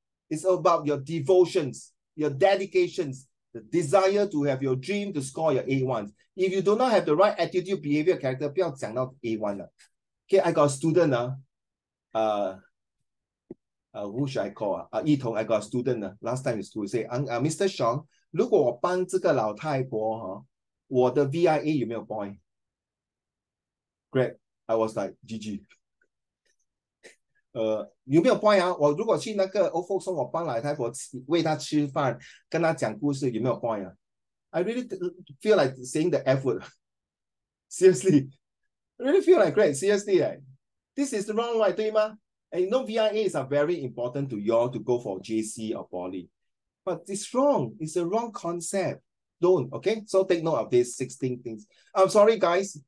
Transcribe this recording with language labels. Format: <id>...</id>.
<en>It's about your devotions, your dedications, the desire to have your dream to score your A1s. If you do not have the right attitude, behavior, character,</en> <zh>不要讲到</zh> <en>A1 了. Okay, I got a student. Who should I call? Yi Tong, I got a student. Last time in school, say, Mr.</en> <zh>Sean, 如果我帮这个老太婆，我的 VIA 有没有 point?</zh> <en>Great, I was like GG.</en> <zh>有没有 point 啊？我如果去那个</zh> <en>old folks home</en> <zh>我帮老太婆喂她吃饭，跟她讲故事，有没有 point 啊？</zh> <en>I really feel like saying the F word. Seriously, really feel like great. Seriously, this is wrong, right?</en> <zh>对吗？</zh> <en>And you know, VIAs are very important to y'all to go for JC or Poly. But it's wrong. It's a wrong concept. Don't, okay? So take note of these 16 things. I'm sorry, guys.</en>